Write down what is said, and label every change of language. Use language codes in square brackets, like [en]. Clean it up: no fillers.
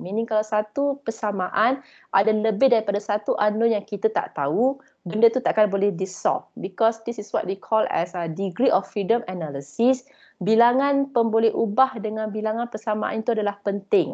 [ms] Meaning kalau satu persamaan ada lebih daripada satu unknown yang kita tak tahu, benda tu takkan boleh disolve. [en] Because this is what they call as a degree of freedom analysis. [ms] Bilangan pemboleh ubah dengan bilangan persamaan itu adalah penting.